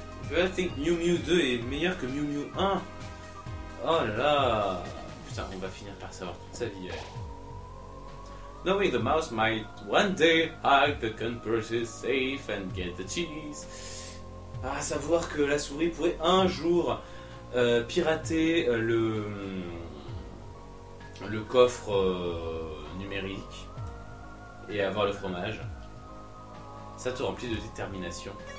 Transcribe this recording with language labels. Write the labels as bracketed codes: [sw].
[fr] Je pense que Mew Mew 2 est meilleur que Mew Mew 1. Oh là! Putain, on va finir par savoir toute sa vie. [en] Knowing the mouse might one day hug the computer safe and get the cheese. [fr] Ah, savoir que la souris pourrait un jour... pirater le coffre numérique et avoir le fromage, ça te remplit de détermination.